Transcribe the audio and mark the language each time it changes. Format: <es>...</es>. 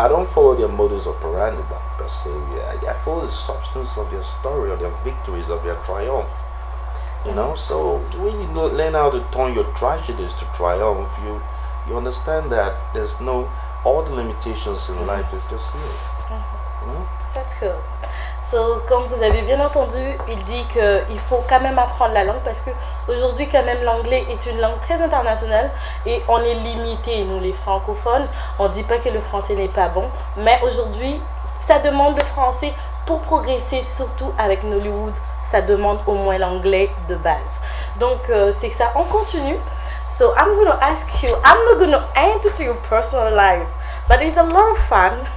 <en>I don't follow their modus operandi, but per se, I follow the substance of their story, of their victories, of their triumph. You know, so when you learn how to turn your tragedies to triumph, you understand that there's no, all the limitations in life is just here. Mm-hmm. You know? That's cool.</en> <fr>So, comme vous avez bien entendu, il dit qu'il faut quand même apprendre la langue parce qu'aujourd'hui, quand même, l'anglais est une langue très internationale et on est limité, nous, les francophones. On ne dit pas que le français n'est pas bon, mais aujourd'hui, ça demande le français pour progresser, surtout avec Nollywood. Ça demande au moins l'anglais de base. Donc, c'est ça. On continue.</fr> <en>So, I'm going to ask you, I'm not going to enter to your personal life, but it's a lot of fun.</en>